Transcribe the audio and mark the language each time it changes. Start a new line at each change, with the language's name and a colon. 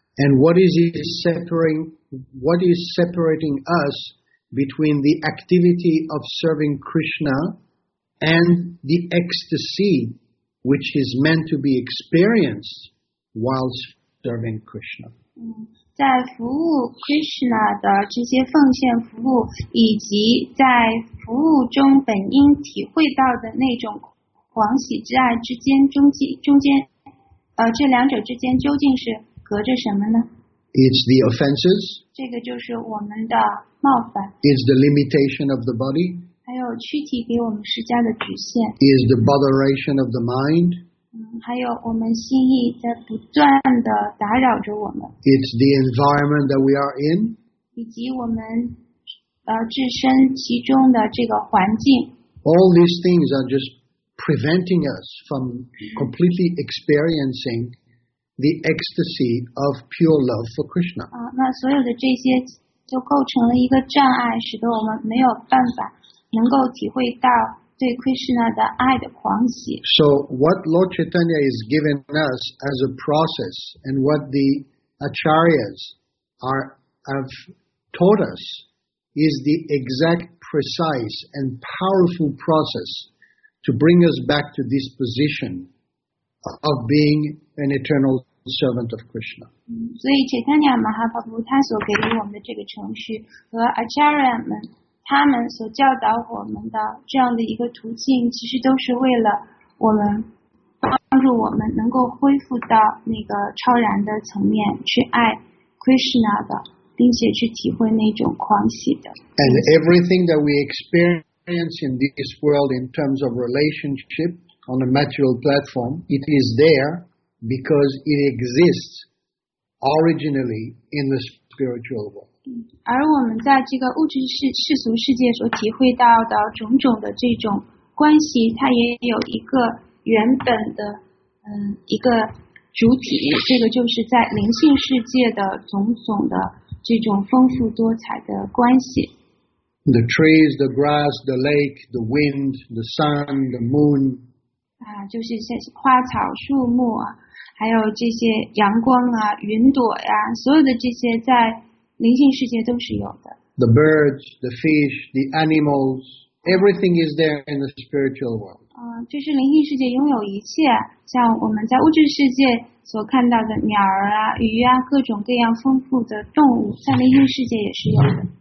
English: And what is separating us between the activity of serving Krishna and the ecstasy? Which is meant to be experienced while serving Krishna.
Chinese: 在服务 Krishna 的这些奉献服务，以及在服务中本应体会到的那种狂喜之爱之间，中间，这两者之间究竟是隔着什么呢
English: ？It's the offenses.
Chinese: 这个就是我们的冒犯。
English: It's the limitation of the body.
Chinese: 还有躯体给我们施加的局限。
English: Is the botheration of the mind？
Chinese: 还有我们心意在不断的打扰着我们。
English: It's the environment that we are in？
Chinese: 以及我们置身其中的这个环境。
English: All these things are just preventing us from completely experiencing the ecstasy of pure love for Krishna。
Chinese: 那所有的这些就构成了一个障碍，使得我们没有办法。能够体会到对 Krishna 的爱的狂喜。
English: So what Lord Chaitanya is giving us as a process, and what the acharyas have taught us, is the exact, precise, and powerful process to bring us back to this position of being an eternal servant of Krishna.
Chinese: 所以 Chaitanya Mahaprabhu 他所给予我们的这个程序和 acharya 们。他们所教导我们的这样的一个途径，其实都是为了我们帮助我们能够恢复到那个超然的层面，去爱 Krishna 的，并且去体会那种狂喜的。
English: And everything that we experience in this world in terms of relationship on a material platform, it is there because it exists originally in the spiritual world.
Chinese: 而我们在这个物质世俗世界所体会到的种种的这种关系，它也有一个原本的一个主体，这个就是在灵性世界的种种的这种丰富多彩的关系。
English: The trees, the grass, the lake, the wind, the sun, the moon.
Chinese: 就是一些花草树木啊，还有这些阳光啊、云朵呀、所有的这些在。灵性世界都是有的。
English: The birds, the fish, the animals, everything is there in the spiritual world.
Chinese: 就是灵性世界拥有一切，像我们在物质世界所看到的鸟儿啊、鱼啊，各种各样丰富的动物，在灵性世界也是有的。